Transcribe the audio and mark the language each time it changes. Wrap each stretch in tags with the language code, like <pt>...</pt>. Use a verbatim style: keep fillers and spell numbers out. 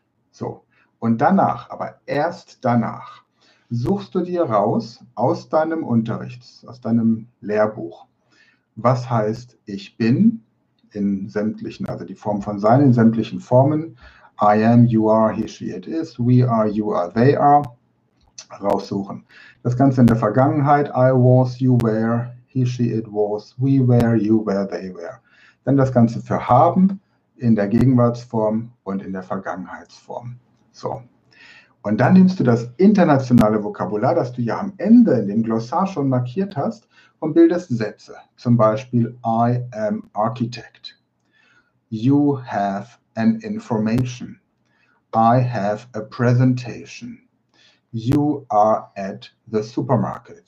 <de>So, und danach, aber erst danach, suchst du dir raus aus deinem Unterrichts, aus deinem Lehrbuch, was heißt ich bin in sämtlichen, also die Form von sein in sämtlichen Formen,</de> <en>I am, you are, he, she, it is, we are, you are, they are,</en> <de>raussuchen. Das Ganze in der Vergangenheit,</de> <en>I was, you were, he, she, it was, we were, you were, they were.</en> <de>Dann das Ganze für haben in der Gegenwartsform und in der Vergangenheitsform. So. Und dann nimmst du das internationale Vokabular, das du ja am Ende in dem Glossar schon markiert hast, und bildest Sätze. Zum Beispiel,</de> <en>I am architect. You have an information. I have a presentation. You are at the supermarket.</en>